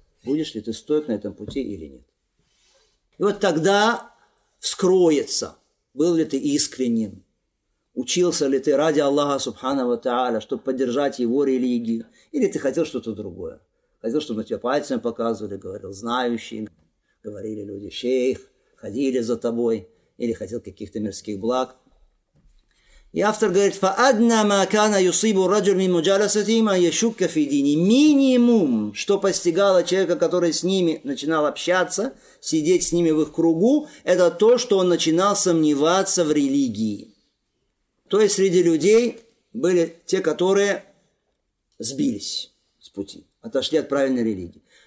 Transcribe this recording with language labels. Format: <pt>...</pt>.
<ru>Будешь ли ты стоек на этом пути или нет. И вот тогда вскроется, был ли ты искренним, учился ли ты ради Аллаха Субхану Тааля, чтобы поддержать его религию, или ты хотел что-то другое. Хотел, чтобы на тебя пальцами показывали, говорил знающий, говорили люди шейх, ходили за тобой, или хотел каких-то мирских благ. И автор говорит,</ru> <ar>فَأَدْنَا مَا كَانَ يُصِيبُ رَجُلْ مِنْ مُجَالَسَةِ مَا يَشُكَّ فِي دِينِ.</ar> <ru>Минимум, что постигало человека, который с ними начинал общаться, сидеть с ними в их кругу, это то, что он начинал сомневаться в религии. То есть среди людей были те, которые сбились с пути, отошли от правильной религии.</ru>